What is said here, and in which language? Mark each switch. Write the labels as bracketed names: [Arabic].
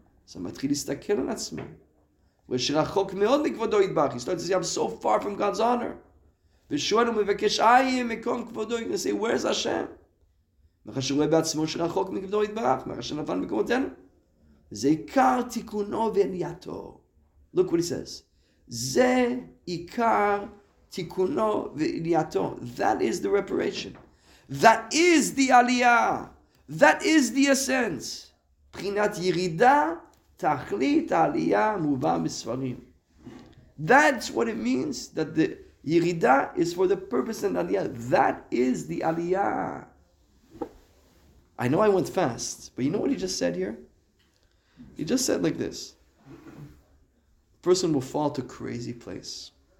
[Hebrew] אז הוא מתחיל להסתכל על עצמו. ושרחוק מאוד מכבודו ידבח. [English] He's like, I'm so far from God's honor. [Hebrew] ושואל ומבקש, איי, מקום כבודו, [English] you say, where's Hashem? [Hebrew] מאחר שרואה בעצמו שרחוק מכבודו יתברך, מאחר שנפל מקומותינו. זה עיקר תיקונו ועלייתו. [English] Look what he says. [Hebrew] זה עיקר תיקונו ועלייתו. [English] That is the reparation. That is the aliyah. That is the essence. [Hebrew] בחינת ירידה, תכלית העלייה מובא בספרים. [English] That's what it means that the Yirida is for the purpose and aliyah. That is the aliyah. I know I went fast, but you know what he just said here? He just said like this. A person will fall to a crazy place.